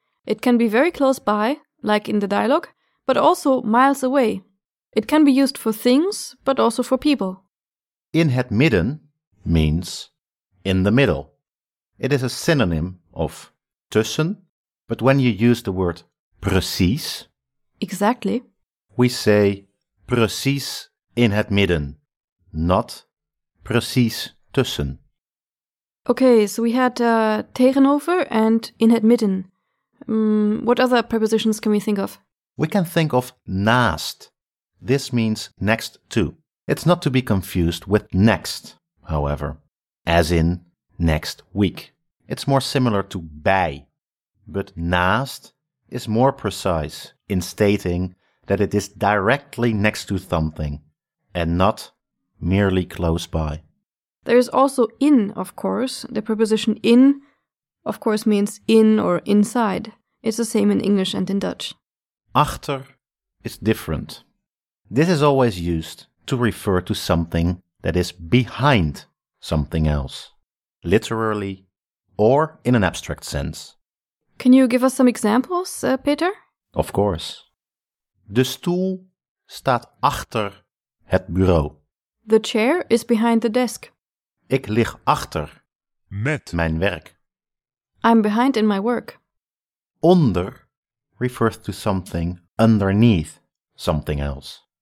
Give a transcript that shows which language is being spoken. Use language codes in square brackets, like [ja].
[en] It can be very close by, like in the dialogue, but also miles away. It can be used for things, but also for people. [nl] In het midden [en] means in the middle. It is a synonym of tussen, but when you use the word precies, exactly, we say [nl] precies in het midden, [en] not [nl] precies tussen. [en] Okay, so we had tegenover and in het midden. What other prepositions can we think of? We can think of naast. This means next to. It's not to be confused with next, however, as in next week. It's more similar to bij. But naast is more precise in stating that it is directly next to something and not merely close by. There is also in, of course. The preposition in, of course, means in or inside. It's the same in English and in Dutch. Achter is different. This is always used to refer to something that is behind something else, literally or in an abstract sense. Can you give us some examples, Peter? Of course. [nl] De stoel staat achter het bureau. [en] The chair is behind the desk. [nl] Ik lig achter met mijn werk. [en] I'm behind in my work. Onder refers to something underneath something else.